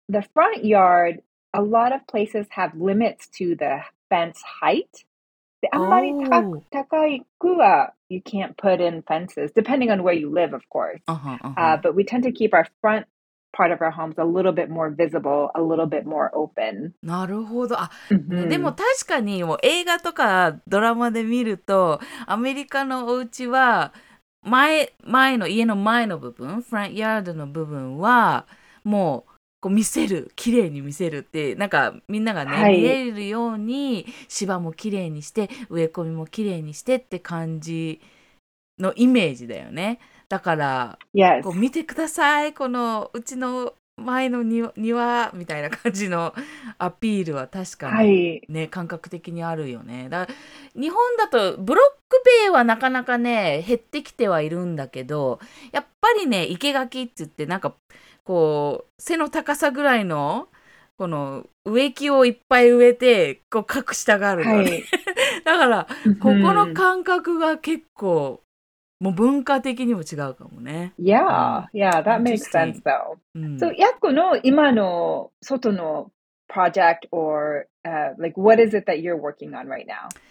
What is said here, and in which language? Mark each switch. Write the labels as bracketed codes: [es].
[en] But the front yard, a lot of places have limits to the fence height. で、 [ja] あんまり高くは、 [en] you can't put in fences, depending on where you live, of course. Uh-huh, uh-huh. But we tend to keep our front part of our homes a little bit more visible, a little bit more open. [ja] なるほど。あ、でも確かにもう映画とかドラマで見るとアメリカのお家は前の家の前の部分、フロントヤードの部分はもうこう見せる、綺麗に見せるってなんかみんながね、はい、見えるように芝も綺麗にして植え込みも綺麗にしてって感じのイメージだよね。だから、 [en] yes. [ja] こう見てください、このうちの前の庭みたいな感じのアピールは確かに、ねはい、感覚的にあるよね。だ日本だとブロック塀はなかなかね、減ってきてはいるんだけど、やっぱりね、生垣って言って、なんかこう、背の高さぐらいの、この植木をいっぱい植えて、こう隠したがるの、ね。はい、だから、ここの感覚が結構、もう文化的にも違うかもね。 [en] Yeah, yeah, that makes sense though.、So, Yakko [ja] の今の外の [en] project or、like what is it that you're working on right now?